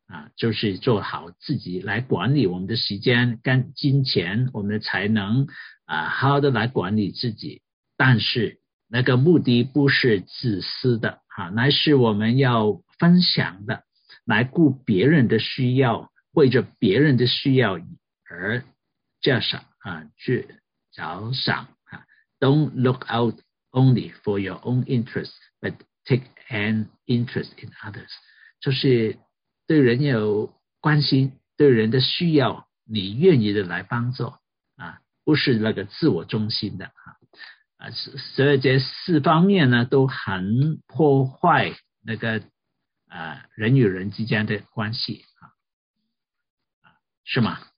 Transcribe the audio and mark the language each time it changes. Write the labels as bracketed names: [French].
[Chinese] 啊，就是做好自己来管理我们的时间跟金钱，我们的才能啊，好的来管理自己。但是那个目的不是自私的啊，乃是我们要分享的，来顾别人的需要，为着别人的需要而着想啊，去着想啊。 [English] Don't look out only for your own interests, but take an interest in others. [Chinese] 就是对人有关心，对人的需要，你愿意的来帮助啊，不是那个自我中心的啊。所以这四方面呢，都很破坏那个啊人与人之间的关系啊，是吗？